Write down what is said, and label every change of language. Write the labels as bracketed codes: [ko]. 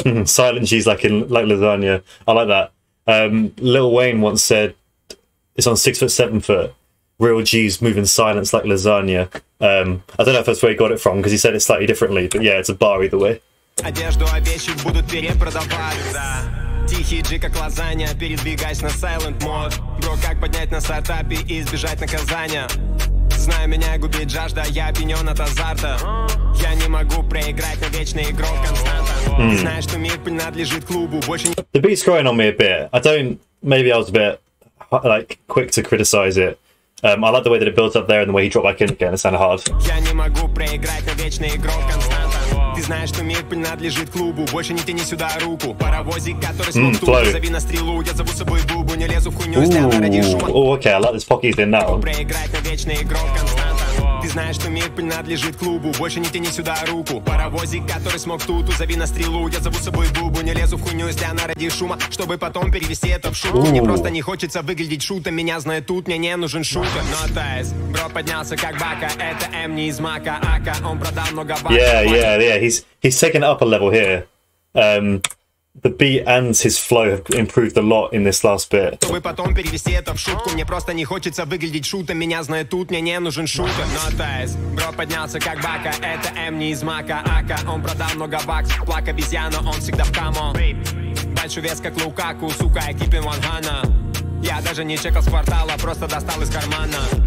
[en] Silent G's like in like lasagna. I like that. Lil Wayne once said, it's on 6 foot, 7 foot. Real G's move in silence like lasagna. I don't know if that's where he got it from, because he said it slightly differently, but yeah, it's a bar either way. [ru] Одежду обещу будут перепродавать. Да. Тихий джи, как лазанья, передвигаясь на silent mode. Бро, как поднять на стартапе и избежать наказания? Знаю, меня губит жажда, я опьянен от азарта. Я не могу проиграть на вечный игрок константа. Знаю, что мир принадлежит клубу. Больше не. [en] The beat's growing on me a bit. I don't, maybe I was a bit like quick to criticize it. I like the way that it built up there and the way he dropped back in again, it sounded hard. [ru] Я не могу проиграть на вечный игрок константа. Ты знаешь, что мир принадлежит клубу. Больше не тяни сюда руку. Паровозик, который смолтует. Зови на стрелу, я зову с собой бубу. Не лезу в хуйню, сделай ради шума. [en] Oh, okay, I like this pocket thing now. [ru] Проиграть на вечный игрок константа. Ты знаешь, что мир принадлежит клубу. Больше не тяни сюда руку. Паровозик, который смог тут, зови на стрелу. Я зову с собой бубу. Не лезу в хуйню, если она ради шума. Чтобы потом перевести это в шутку. Мне просто не хочется выглядеть шутом. Меня знают тут, мне не нужен шутер. Но Тайс, бро поднялся как бака. Это М не из мака. Ака, он продал много бака. [en] Yeah. He's taken it up a level here. The beat and his flow have improved a lot in this last bit. [ru] Чтобы потом перевести это в шутку, мне просто не хочется выглядеть шутом. Меня знают тут, мне не нужен шутер. Но Тайс, бро поднялся как бака. Это М не из мака. Ака, он продал много бакс. Плак обезьяна, он всегда в камо. Большой вес как Лукаку, сука, [en] I keep in 100. [ru] Я даже не чекал с квартала, просто достал из кармана.